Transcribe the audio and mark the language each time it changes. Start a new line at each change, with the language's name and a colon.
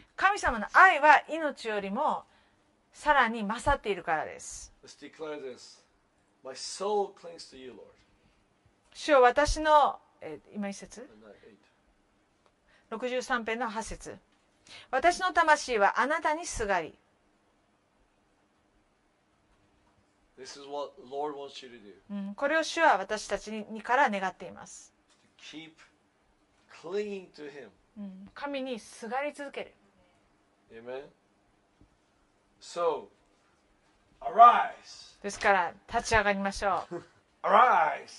Japanese: 神様の愛は命よりもさらに勝っているからです。
English: Let's declare this. My soul clings to you, Lord.
Japanese: 主よ、私の、今一節。63編の8節。私の魂はあなたにすがり。
English: This is what Lord wants you to do.
Japanese: これを主は私たちにから願っています。
English: To keep clinging to him.
Japanese: 神にすがり続ける。
English: Amen. So, arise.
Japanese: ですから立ち上がりましょう。
English: Arise.